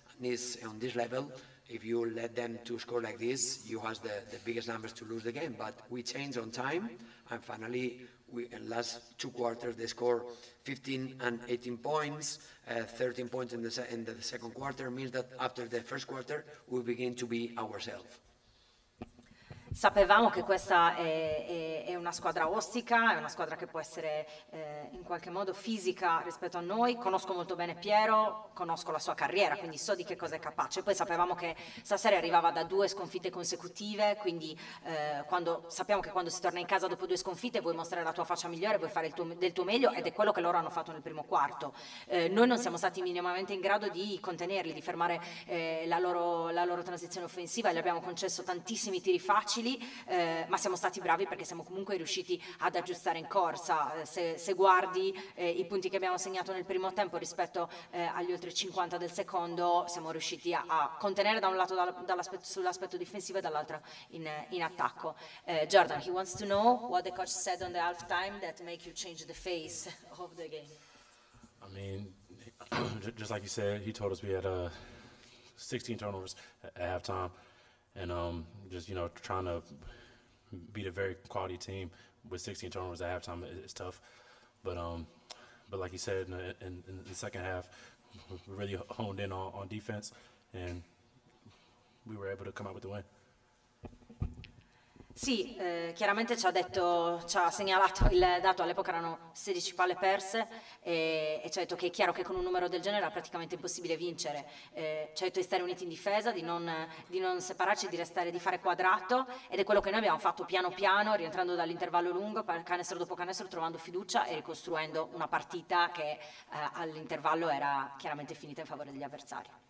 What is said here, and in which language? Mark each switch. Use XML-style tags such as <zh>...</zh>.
<en>And it's on this level, if you let them to score like this, you have the biggest numbers to lose the game. But we change on time. And finally, in the last two quarters, they score 15 and 18 points, 13 points in the second quarter. Means that after the first quarter, we begin to be ourselves.</en> <it>Sapevamo che questa è una squadra ostica, è una squadra che può essere in qualche modo fisica rispetto a noi. Conosco molto bene Piero, conosco la sua carriera, quindi so di che cosa è capace. Poi sapevamo che stasera arrivava da due sconfitte consecutive, quindi sappiamo che quando si torna in casa dopo due sconfitte vuoi mostrare la tua faccia migliore, vuoi fare del tuo meglio, ed è quello che loro hanno fatto nel primo quarto. Noi non siamo stati minimamente in grado di contenerli, di fermare la loro transizione offensiva. Gli abbiamo concesso tantissimi tiri facili, ma siamo stati bravi perché siamo comunque riusciti ad aggiustare in corsa. Se guardi i punti che abbiamo segnato nel primo tempo rispetto agli oltre 50 del secondo, siamo riusciti a contenere da un lato sull'aspetto difensivo e dall'altro in attacco.</it> <en>Jordan, he wants to know what the coach said on the halftime that make you change the face of the game. I mean, just like you said, he told us we had 16 turnovers at halftime. And just, you know, trying to beat a very quality team with 16 turnovers at halftime. It's tough, but like you said, in the second half, we really honed in on defense, and we were able to come out with the win.</en> <it>Sì, chiaramente ci ha segnalato il dato, all'epoca erano 16 palle perse e ci ha detto che è chiaro che con un numero del genere era praticamente impossibile vincere. Ci ha detto di stare uniti in difesa, di non separarci, di fare quadrato, ed è quello che noi abbiamo fatto piano piano, rientrando dall'intervallo lungo, canestro dopo canestro, trovando fiducia e ricostruendo una partita che all'intervallo era chiaramente finita in favore degli avversari.</it>